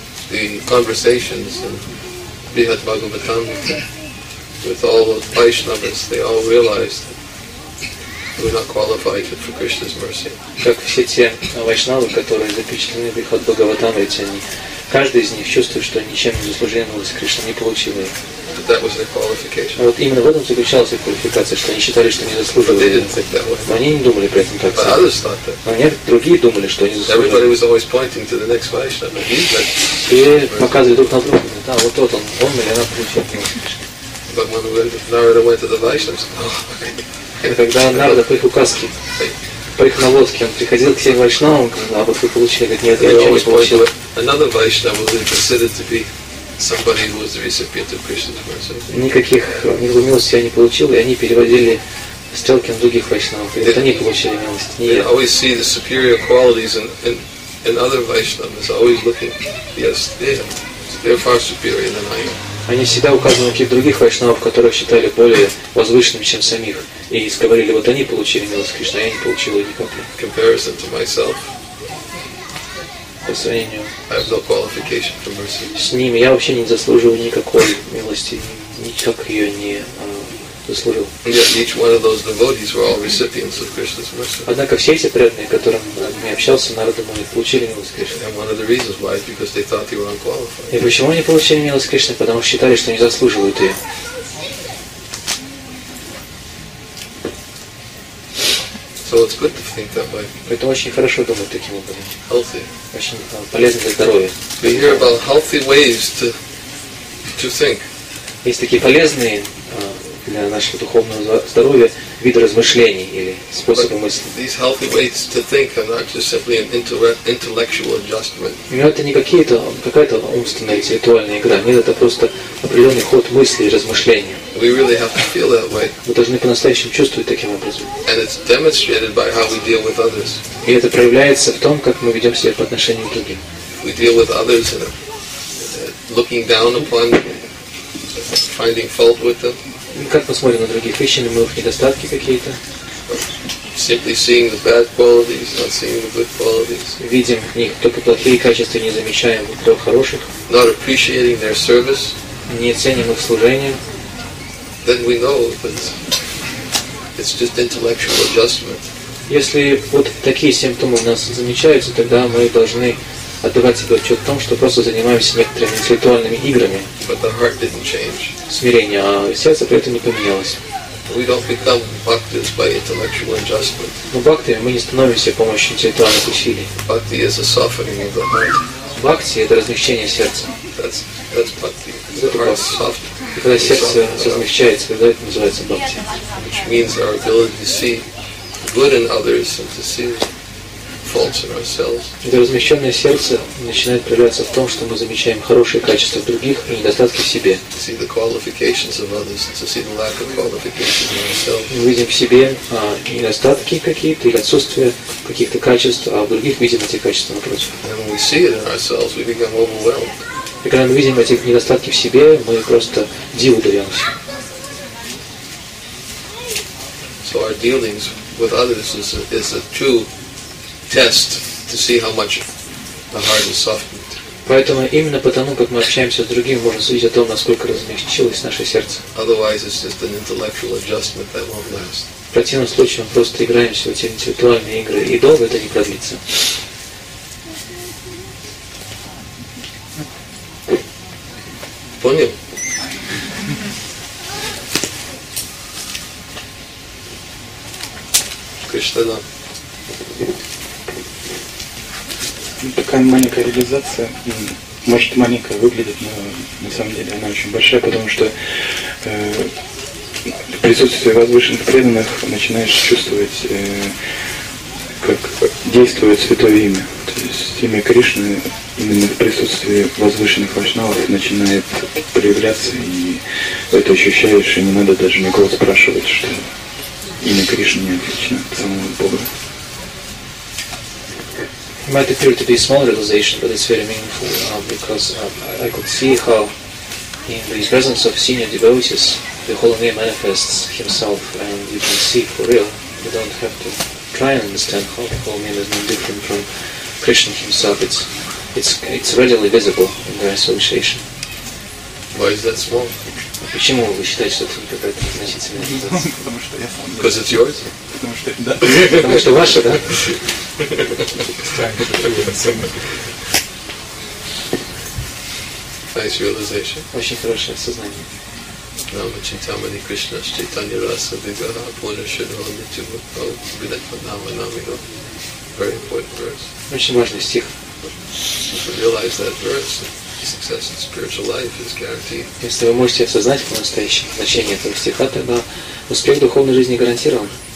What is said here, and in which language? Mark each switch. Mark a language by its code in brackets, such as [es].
[en] The conversations in Brihad Bhagavatam with all the Vaishnavas, they all realized that we're not qualified for Krishna's mercy. [ru] Как все те вайшнавы, которые запечатлены в Брихад Бхагаватам, каждый из них чувствует, что ничем не заслуживалось, Кришна не получил ее. [en] But that was their qualification. [ru] Вот именно в этом заключалась их квалификация, что они считали, что не заслуживали. [en] But they didn't think that way. [ru] Но они не думали при этом так. [en] But others thought that. [ru] Но нет, другие думали, что они заслуживали. [en] Everybody was always pointing to the next Vaishnava. [ru] И показывали друг на друга. Да, вот тот он или она получил Кришна. [en] But when Narada went to the Vaishnavas, [ru] И когда Нарада по их указке, по их наводке, он приходил к всем вайшнавам, а вот вы получили, говорит, нет, я ничего не получил. [en] Another Vaishnava was considered to be somebody who was the recipient of Krishna's mercy. [ru] Никаких милости я не получил, и они переводили стрелки на других вайшнавов. И это они получили милость. [en] They always see the superior qualities in other Vaishnavas, always looking, yes, they're far superior than I am. [ru] Они всегда указывали на каких-то других вайшнавов, которые считали более возвышенными, чем самих. И говорили, вот они получили милость Кришны, а я не получил ее никакой. [en] Comparison to myself. [ru] По сравнению. [en] I have no qualification for mercy. [ru] С ними я вообще не заслуживаю никакой милости. Никак ее не заслужил. [en] Yet each one of those devotees were all recipients of Krishna's mercy. [ru] Однако все эти преданные, с которыми я общался, народы мои, получили милость Кришны. [en] And one of the reasons why is because they thought they were unqualified. [ru] И почему они получили милость Кришны? Потому что считали, что не заслуживают ее. [en] So it's good to think that way. [ru] Поэтому очень хорошо думать таким образом. [en] Healthy. [ru] Очень полезно для здоровья. [en] We hear about healthy ways to think. [ru] Есть такие полезные для нашего духовного здоровья виды размышлений или способы мысли. [en] These healthy ways to think are not just simply an intellectual adjustment. [ru] Но это не какая-то умственная интеллектуальная игра. Нет, это просто определенный ход мысли и размышления. [en] We really have to feel that way. [ru] Мы должны по-настоящему чувствовать таким образом. [en] And it's demonstrated by how we deal with others. [ru] И это проявляется в том, как мы ведем себя по отношению к другим. [en] We deal with others in looking down upon them, finding fault with them. [ru] Как мы смотрим на других? Ищем ли мы их недостатки какие-то? [en] Simply seeing the bad qualities, not seeing the good qualities. [ru] Видим в них только плохие качества, не замечаем трех хороших. [en] Not appreciating their service. [ru] Не ценим их служение. [en] Then we know that it's just intellectual adjustment. [ru] Если вот такие симптомы у нас замечаются, тогда мы должны отдавать себе отчет в том, что просто занимаемся некоторыми интеллектуальными играми. [en] But the heart didn't change. [ru] Смирение, а сердце при этом не поменялось. [en] We don't become bhaktis by intellectual adjustment. [ru] Но бхакти мы не становимся с помощью интеллектуальных усилий. [en] Bhakti is a softening of the heart. [ru] Бхакти — это размягчение сердца. [en] That's bhakti. The heart softens. [ru] Когда сердце размягчается, тогда это называется бхакти. [en] Which means our ability to see good in others and to see faults in ourselves. [ru] Это размягченное сердце начинает проявляться в том, что мы замечаем хорошие качества в других и недостатки в себе. [en] See the qualifications of others, to see the lack of qualifications in ourselves. [ru] Мы видим в себе недостатки какие-то или отсутствие каких-то качеств, а в других видим эти качества напротив. [en] And when we see it in ourselves, we become overwhelmed. [ru] И когда мы видим эти недостатки в себе, мы просто диву даемся. [en] So our dealings with others is a true test to see how much the heart is softened. [ru] Поэтому именно потому, как мы общаемся с другим, можно судить о том, насколько размягчилось наше сердце. [en] Otherwise, it's just an intellectual adjustment that won't last. [ru] В противном случае мы просто играемся в эти интеллектуальные игры, и долго это не продлится. Понял? Кришна, да. Такая маленькая реализация, может маленькая выглядит, но на самом деле она очень большая, потому что в присутствии возвышенных преданных начинаешь чувствовать, как действует святое имя. То есть имя Кришны именно в присутствии возвышенных вайшнавов начинает проявляться, и это ощущаешь, и не надо даже никого спрашивать, что имя Кришны не отлично от самого Бога. [en] It might appear to be a small realization, but it's very meaningful because I could see how in the presence of senior devotees, the Holy Name manifests himself and you can see for real. You don't have to try and understand how the Holy Name is no different from Krishna himself. It's readily visible in their association. Why is that small? [ru] Почему вы считаете, что это не какая-то относительная реализация? Потому что я сам. [en] Because it's yours? [ru] Потому что, да. Потому что ваше, да? [en] Nice realization. [ru] Очень хорошее осознание. [sa] Нама Читамани Кришна Читани Раса Вигара Пуна Шидхан Нитива Пау Гнепа Нама Намига. [en] Very important verse. [ru] Очень важный стих. [en] If you realize that verse, success in spiritual life is guaranteed. [ru] Если вы можете осознать по-настоящему значение этого стиха, тогда успех в духовной жизни гарантирован.